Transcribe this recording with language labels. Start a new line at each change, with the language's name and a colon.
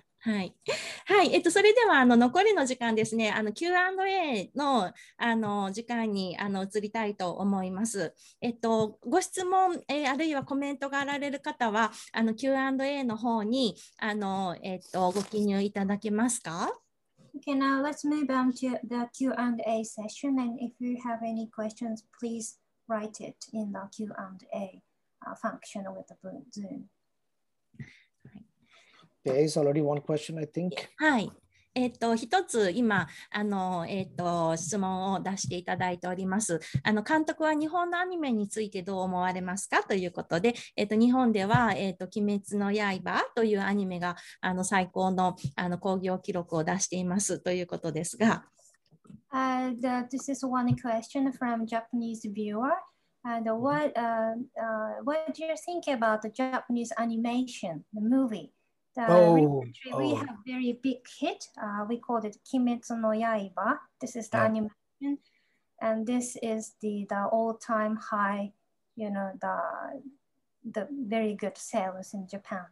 Japanese: はい、はい、それでは残りの時間ですね、Q&A の時間に移りたいと思います。ご質問、あるいはコメントがあられる方は Q&A の方にご記入いただけますか。
English: Okay, now let's move on to the Q&A session, and if you have any questions, please write it in the Q&A function with the Zoom. There is already one question, I think.
Japanese: はい。一つ今質問を出していただいております。監督は日本のアニメについてどう思われますかということで、日本では鬼滅の刃というアニメが最高の興行記録を出していますということですが。
English: This is one question from Japanese viewer. And what do you think about the Japanese animation, the movie? We have very big hit. We call it Kimetsu no Yaiba. This is the animation. And this is the all-time high, you know, the very good sales in Japan.